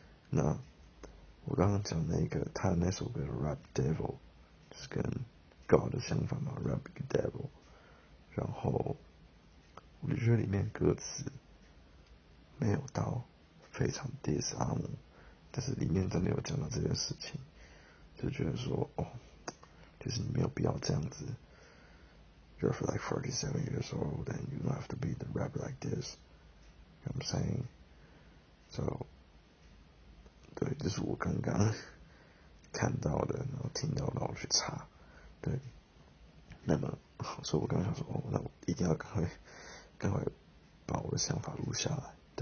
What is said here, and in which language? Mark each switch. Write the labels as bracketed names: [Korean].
[Chinese] 那我刚刚讲那个他的那首歌 Rap Devil， 就是跟 God 的相反嘛 ，Rap Devil， 然后我就觉得里面歌词没有到。非常 diss 阿姆，但是里面真的有讲到这件事情，就觉得说哦，就是你没有必要这样子。 [English] You're like 47 years old and you don't have to be the rap like this. You know what I'm saying? [Chinese] So， 对，这是我刚刚看到的，然后听到，然后去查。对，那么，所以我刚刚想说，哦，那我一定要赶快把我的想法录下来。